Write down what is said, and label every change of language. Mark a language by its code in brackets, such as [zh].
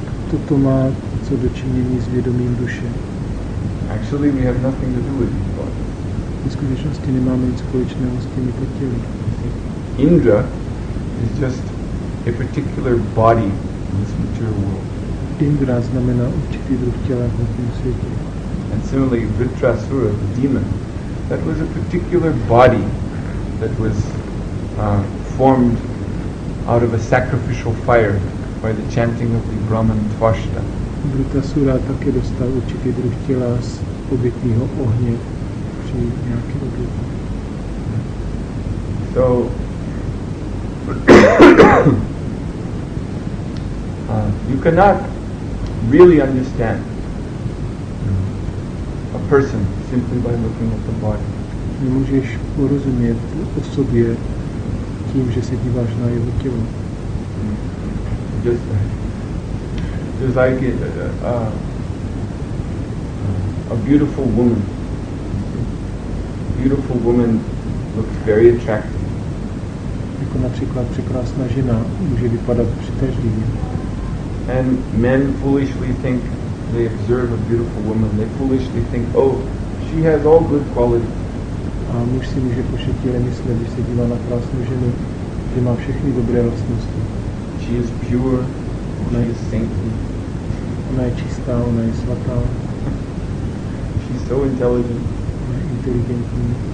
[cs] Toto má co dočinění s vědomím duše. [en] Actually we have nothing to do with these bodies. [cs] V skutečnosti nemáme nic společného s těmito těly. [en] Indra is just a particular body in this material world. [cs] Indra znamená určitý druh těla v tomto světě. [en] And similarly, Vritrasura, the demon, that was a particular body that was formed out of a sacrificial fire by the chanting of the Brahman Tvashta. [cs] Brita Sura také dostal určitý druh těla z obětního ohně při nějaké obětě. [en] So, you cannot really understand a person simply by looking at the body. [cs] Nemůžeš porozumět osobě tím, že se díváš na jeho tělo. [en] Just like a beautiful woman. A beautiful woman looks very attractive. [cs] Jako například překrásná žena může vypadat přitažlivě. [en] And men foolishly think, they observe a beautiful woman, they foolishly think, oh, she has all good qualities. [cs] A muž si může pošetile myslet, když se dívá na krásnou ženu, že má všechny dobré vlastnosti. [en] She is pure, ona she is saintly. [cs] Ona je čistá, ona je svatá. [en] She is so intelligent. [cs] Ona je inteligentní.